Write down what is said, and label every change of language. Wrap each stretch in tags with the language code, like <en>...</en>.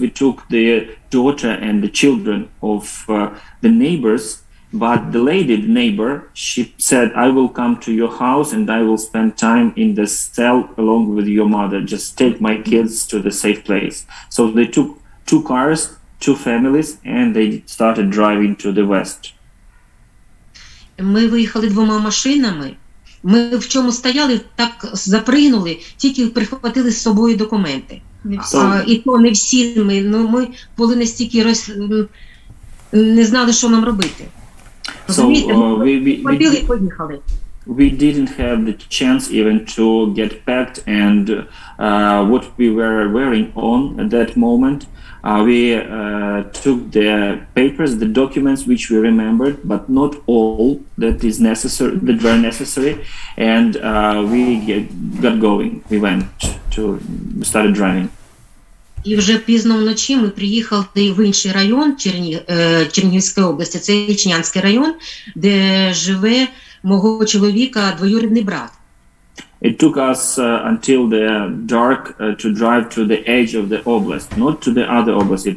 <en>We took the daughter and the children of the neighbors, but the lady, the neighbor, she said, I will come to your house and I will spend time in the cell along with your mother. Just take my kids to the safe place. So they took two cars, two families, and they started driving to the west.</en> <uk>Ми виїхали двома машинами. Ми в чому стояли, так запригнули, тільки прихватили з собою документи. І то не всі ми, ну ми були настільки не знали, що нам робити. Розумієте? Ми поїхали.</uk> <en>We didn't have the chance even to get packed and what we were wearing on at that moment. We took the papers, the documents which we remembered, but not all that is necessary, that were necessary, and we got going. We went to started driving.</en> <uk>І вже пізно вночі ми приїхали в інший район Чернігівської області. Це Ічнянський район, де живе мого чоловіка двоюрідний брат.</uk> <en>It took us until the dark to drive to the edge of the oblast, not to the other oblast.</en>